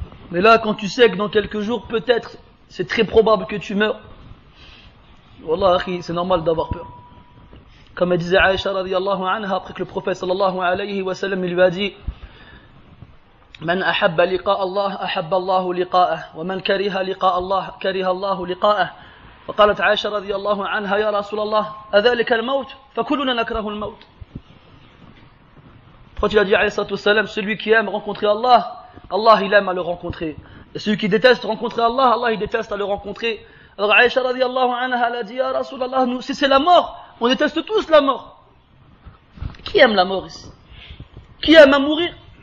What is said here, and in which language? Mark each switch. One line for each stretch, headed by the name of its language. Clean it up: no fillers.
French: Mais là, quand tu sais que dans quelques jours, peut-être, c'est très probable que tu meurs. Wallah, c'est normal d'avoir peur. Comme elle disait Aïcha
Arabic: radiallahu anha,
French: après que le prophète
Arabic: sallallahu alayhi wa sallam
French: lui a dit «
Arabic: Man ahabba liqa Allah, ahabba Allahu liqa'ah. Wa man kariha liqa Allah, kariha Allahu liqa'ah. » فقالت عائشة رضي الله عنها يا رسول الله أذلك الموت فكلنا نكره الموت.
French: Quand il a dit
Arabic: عليه الصلاة والسلام
French: celui qui aime rencontrer Allah, Allah il aime à le rencontrer. Et celui qui déteste rencontrer Allah, Allah il déteste à le rencontrer. Alors عائشة
Arabic: رضي الله عنها
French: a dit
Arabic: يا رسول الله
French: nous, si c'est la mort, on déteste tous la mort. Qui aime la mort ici? Qui aime à mourir?